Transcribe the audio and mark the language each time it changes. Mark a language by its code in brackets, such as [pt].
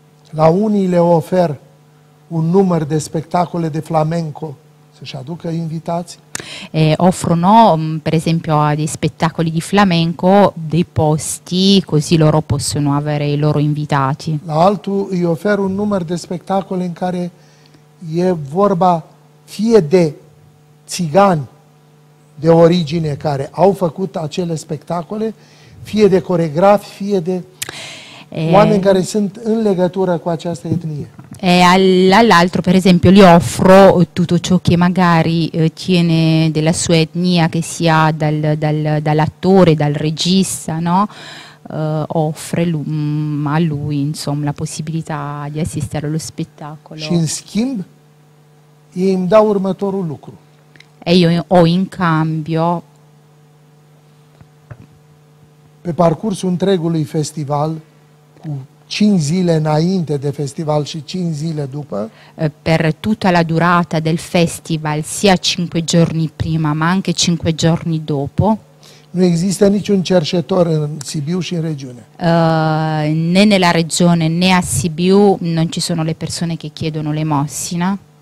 [ro] La unii le ofer un număr de spectacole de flamenco să-și aducă invitații. [it] Offrono, per esempio, a dei spettacoli di flamenco dei posti, così loro possono avere i loro invitati. [ro] La altu îi ofer un număr de spectacole în care e vorba fie de țigani de origine care au făcut acele spectacole, fie de coregrafi, fie de oameni care sunt în legătură cu această etnie. [it] E all'altro, per esempio, gli offro tutto ciò che magari tiene della sua etnia, che sia dall'attore, dal regista, no? Offre a lui, insomma, la possibilità di assistere allo spettacolo. [ro] Și în schimb, îmi dau următorul lucru. [it] E io ho in cambio. [ro] Pe parcursul întregului festival, cu 5 zile înainte de festival și 5 zile după. [it] Per tutta la durata del festival, sia 5 giorni prima, ma anche 5 giorni dopo. [ro] Nu există niciun cercetător în Sibiu și în regiune. [it] Né nella regione né a Sibiu non ci sono le persone che chiedono l'elemosina.